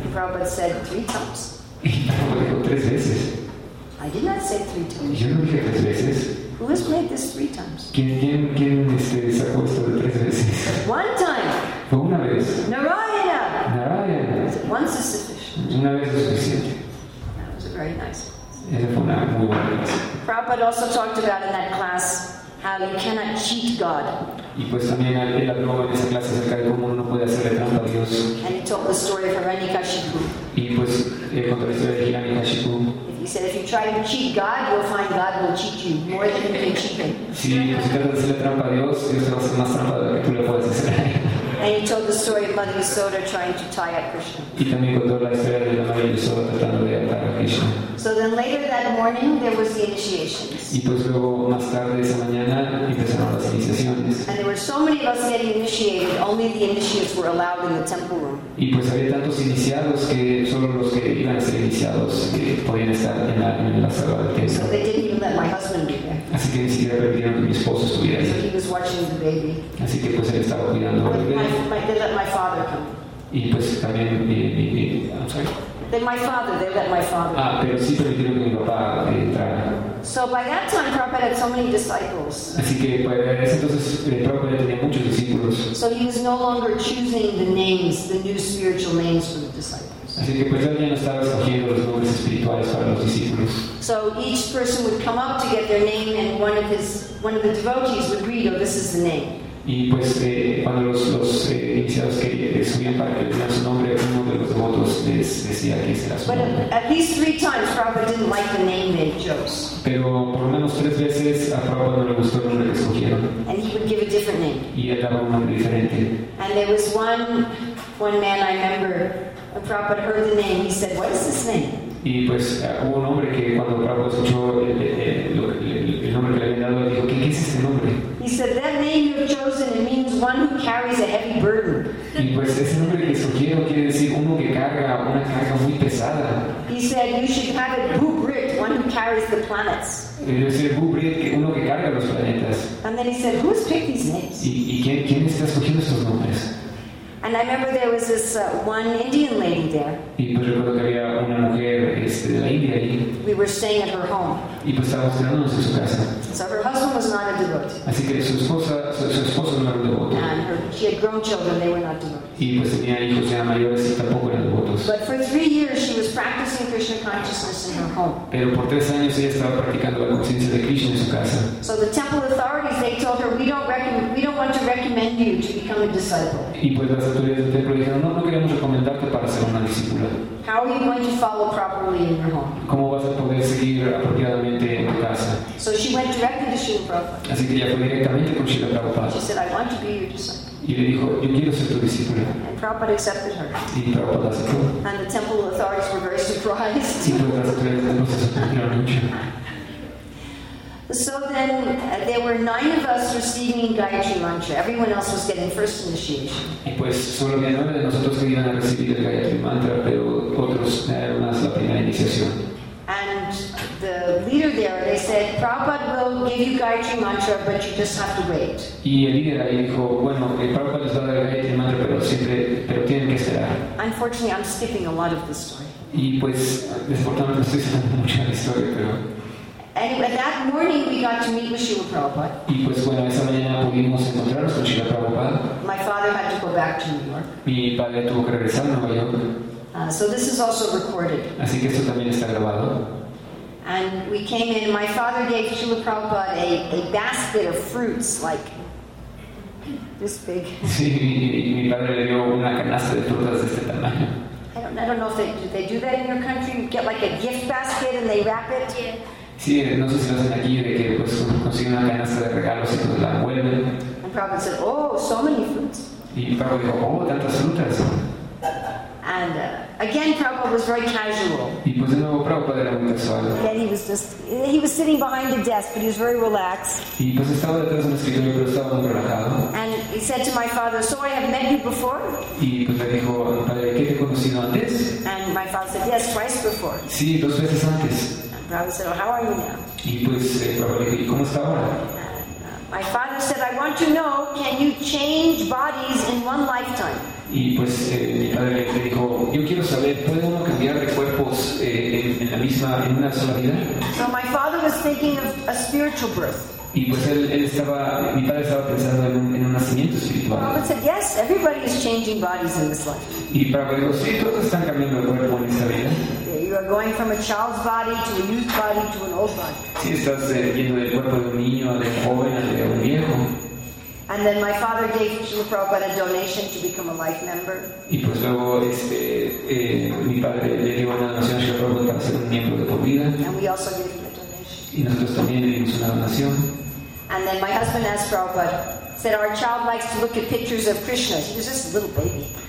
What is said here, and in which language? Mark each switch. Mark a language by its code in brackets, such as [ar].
[en] The Prabhupada said three times. [es] Dijo tres veces. [en] I did not say three times. [es] Yo no dije tres veces. [en] Who has played this three times? [es] ¿Quién sacó esto de tres veces? [en] But one time. [es] Fue una vez. Narayana. Narayana. [en] Once is sufficient. [es] Una vez es suficiente. [en] That was a very nice one. [es] Esa fue una muy buena clase. [en] Prabhupada also talked about in that class how you cannot cheat God. [es] Y pues también él habló en esa clase acerca de cómo uno puede hacerle trampa a Dios. [en] And he told the story of Hiranyakashipu. [es] Y pues contó la historia de Hiranyakashipu. [en] He said, if you try to cheat God, you'll find God will cheat you more than you can cheat him. [es] Si intentas hacerle trampa a Dios, Dios te va a hacer más trampa de lo que tú le puedes hacer. [en] And he told the story of Mother Yasoda trying to tie up Krishna. [es] Y también contó la historia de la Madre Yasoda tratando de atar a Krishna. Krishna. [en] So then later that morning there was the initiations. [es] Y pues luego más tarde esa mañana empezaron las iniciaciones. [en] And there were so many of us getting initiated, only the initiates were allowed in the temple room. [es] Y pues había tantos iniciados que solo los que iban a ser iniciados podían estar en la sala del templo. [en] So they didn't even let my husband be there. [es] Así que ni siquiera permitieron que mi esposo estuviera ahí. [en] He was watching the baby. [es] Así que pues él estaba cuidando al bebé. [en] They let my father come. [es] Y pues también mi [en] then my father, they let my father. [es] Ah, pero sí permitieron que mi papá entrara. [en] So by that time, Prabhupada had so many disciples. [es] Así que pues entonces Prabhupada tenía muchos discípulos. [en] So he was no longer choosing the names, the new spiritual names for the disciples. [es] Así que pues ya no estaba escogiendo los nombres espirituales para los discípulos. [en] So each person would come up to get their name, and one of the devotees would read, "Oh, this is the name." [es] Y pues cuando los iniciados que subían para que le dieran su nombre, uno de los devotos les decía que ese era su nombre. [en] But at least three times, Prabhupada didn't like the name they chose. [es] Pero por lo menos tres veces a Prabhupada no le gustó el nombre que escogieron. [en] And he would give a different name. [es] Y él daba un nombre diferente. [en] And there was one man I remember, Prabhupada heard the name, he said, "What is this name?" [es] Y pues hubo un hombre que cuando Prabhupada escuchó el nombre que le habían dado, dijo, ¿qué es ese nombre? [en] He said, "That name you've chosen, it means one who carries a heavy burden." [es] Y pues ese nombre que escogieron quiere decir uno que carga una carga muy pesada. [en] He said, "You should have it Bhubrit, one who carries the planets." [es] Y yo decía, Bhubrit, uno que carga los planetas. [en] And then he said, "Who has picked these names?" [es] Y ¿quién está escogiendo estos nombres? [en] And I remember there was this one Indian lady there. [es] Y pues recuerdo que había una mujer de la India ahí. [en] We were staying at her home. [es] Y pues estábamos quedándonos en su casa. [en] So her husband was not a devotee. [es] Así que su esposo no era un devoto. [en] And she had grown children, they were not devotees. [es] Y pues tenía hijos ya mayores y tampoco eran devotos. [en] But for 3 years she was practicing Krishna consciousness in her home. [es] Pero por 3 años ella estaba practicando la conciencia de Krishna en su casa. [en] So the temple authorities, they told her, we don't want to recommend you to become a disciple. [es] Y pues las autoridades del templo dijeron, no queremos recomendarte para ser una discípula. [en] How are you going to follow properly in your home? [es] ¿Cómo vas a poder seguir apropiadamente en tu casa? [en] So she went directly to Srila Prabhupada. [es] Así que ella fue directamente con Srila Prabhupada. [en] She said, "I want to be your disciple." [es] Y le dijo, yo quiero ser tu discípula. [en] And Prabhupada accepted her. [es] Y Prabhupada aceptó. [en] And the temple authorities were very surprised. [es] Y pues las autoridades del templo se sorprendieron mucho. [en] So then there were 9 of us receiving Gayatri Mantra. Everyone else was getting first initiation. [es] Y pues solo había 9 de nosotros que iban a recibir el Gayatri Mantra, pero otros eran la primera iniciación. [en] And the leader there, they said, "Prabhupada will give you Gayatri Mantra, but you just have to wait." [es] Y el líder ahí dijo, bueno, el Prabhupada les va a dar el Gayatri Mantra, pero tienen que esperar. [en] Unfortunately, I'm skipping a lot of the story. [es] Y pues desafortunadamente estoy saltando mucha historia, pero. [en] Anyway, that morning we got to meet with Srila Prabhupada. [es] Y pues bueno, esa mañana pudimos encontrarnos con Srila Prabhupada. [en] My father had to go back to New York. [es] Mi padre tuvo que regresar a Nueva York. [en] So this is also recorded. [es] Así que esto también está grabado. [en] And we came in, my father gave Srila Prabhupada a basket of fruits, like this big. [es] Sí, mi padre le dio una canasta de frutas de este tamaño. [en] I don't know if they do that in your country. You get like a gift basket and they wrap it. Yeah. [es] Sí, no sé si lo hacen aquí, de que pues consiguen una canasta de regalos y pues la vuelven. [en] And Prabhupada said, "Oh, so many fruits." [es] Y Prabhupada dijo, "Oh, tantas frutas." [en] And again, Prabhupada was very casual. [es] Y pues de nuevo, Prabhupada era muy casual. [en] Then he was sitting behind a desk, but he was very relaxed. [es] Y pues estaba detrás de un escritorio, pero estaba muy relajado. [en] And he said to my father, "So I have met you before?" [es] Y pues le dijo, "Padre, ¿qué te he conocido antes?" [en] And my father said, "Yes, twice before." [es] Sí, 2 veces antes. [en] Prabhupada said, "Oh, how are you now?" [es] Y pues, ¿cómo está ahora? [en] My father said, "I want to know, can you change bodies in one lifetime?" [es] Y pues, mi padre le dijo, yo quiero saber, ¿puede uno cambiar de cuerpos en una sola vida? [en] So my father was thinking of a spiritual birth. [es] Y pues mi padre estaba pensando en un nacimiento espiritual. [en] Prabhupada said, "Yes, everybody is changing bodies in this life." [es] Y Prabhupada dijo, sí, todos están cambiando de cuerpo en esta vida. [en] You are going from a child's body to a youth body to an old body. [es] Sí, estás yendo del cuerpo de un niño a un joven a un viejo. [en] And then my father gave Srila Prabhupada a donation to become a life member. [es] Y pues luego mi padre le dio una donación a Srila Prabhupada para ser un miembro de por vida. [en] And we also gave him a donation. [es] Y nosotros también le dimos una donación. [en] And then my husband asked Prabhupada, said, "Our child likes to look at pictures of Krishna." He was just a little baby.